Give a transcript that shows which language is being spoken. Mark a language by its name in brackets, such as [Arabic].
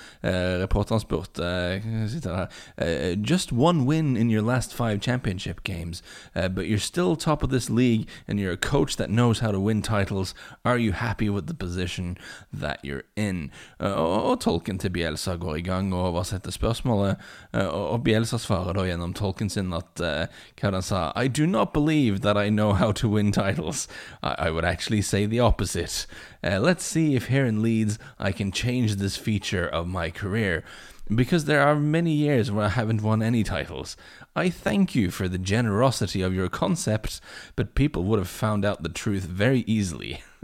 [Norwegian] Reporteren spurte, sitter her, [English] just one win in your last five championship games, but you're still top of this league and you're a coach that knows how to win titles. Are you happy with the position that you're in? [Norwegian] Og tolken til Bielsa går I gang og oversetter spørsmålet, og Bielsa svarer da gjennom tolken sin at, hva den sa, [English] I do not believe that I know how to win titles. I would actually say the opposite. Let's see if here in Leeds I can change this feature of my career, because there are many years where I haven't won any titles. I thank you for the generosity of your concept, but people would have found out the truth very easily.